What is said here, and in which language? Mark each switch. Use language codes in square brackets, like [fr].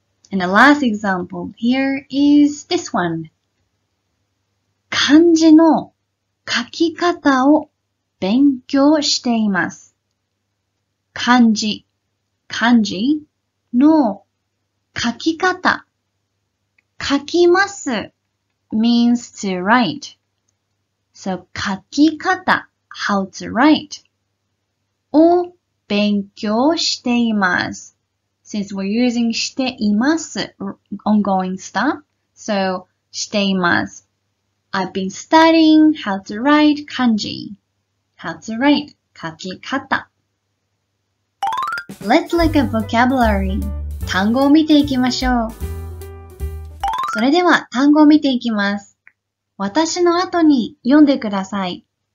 [en] And the last example here is this one. [ja] 漢字の書き方を勉強しています。漢字の書き方。書きます。 [en] means to write. So, [ja] 書き方 [en] how to write [ja] を勉強しています。 [en] Since we're using [ja] しています [en] ongoing stuff, so [ja] しています。 [en] I've been studying how to write 漢字 how to write [ja] 書き方。 [en] Let's look at vocabulary. [ja] 単語を見ていきましょう。それでは単語を見ていきます。私の後に読んでください。